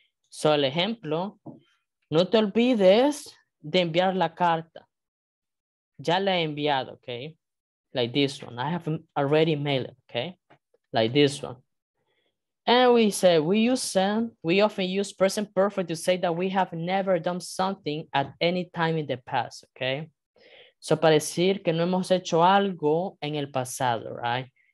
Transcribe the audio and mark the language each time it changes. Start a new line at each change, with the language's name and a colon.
Spanish: So, el ejemplo, no te olvides de enviar la carta. Ya la he enviado, okay?
English: Like this one. I have already mailed it, okay? Like this one. And we say, we often use present perfect to say that we have never done something at any time in the past, okay?
Spanish: So, para decir que no hemos hecho algo en el pasado, right?